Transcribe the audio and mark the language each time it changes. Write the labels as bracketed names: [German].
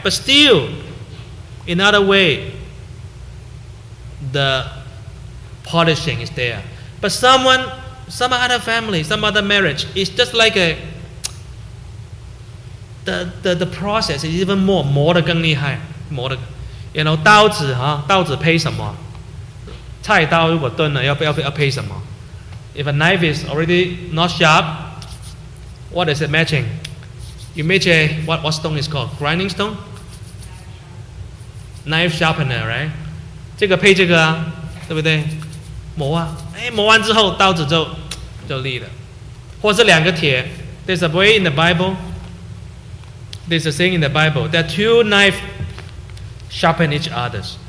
[English] But still, in other way, the polishing is there. But someone, some other family, some other marriage, it's just like the process is even more, [Chinese] 磨得更厉害, 磨得, [English] you know, [Chinese] 刀子, 刀子配什么? 菜刀如果炖了, 要配什么? [English] If a knife is already not sharp, what is it matching? You match a, what stone is called? Grinding stone? Knife sharpener, right? [Chinese] 这个配这个啊, 对不对? 磨啊, 诶, 磨完之后, 刀子就, 就立了。或是两个铁, [English] there's a way in the Bible, there's a saying in the Bible, that two knives sharpen each other.